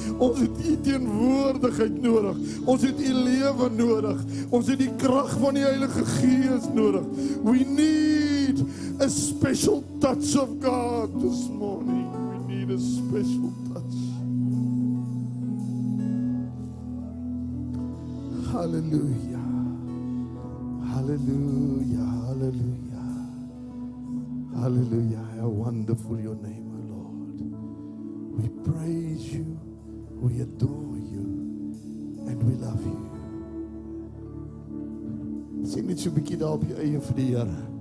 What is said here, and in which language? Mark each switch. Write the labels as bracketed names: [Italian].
[Afrikaans] Ons het u teenwoordigheid nodig. Ons het u lewe nodig. Ons het die kracht van die Heilige Gees nodig. [English] We need a special touch of God this morning. We need a special touch. Halleluja, halleluja, halleluja, halleluja, how wonderful your name, O Lord. We praise you, we adore you, and we love you. [Afrikaans] Sê net so 'n bietjie daar op jou eie vir die Here.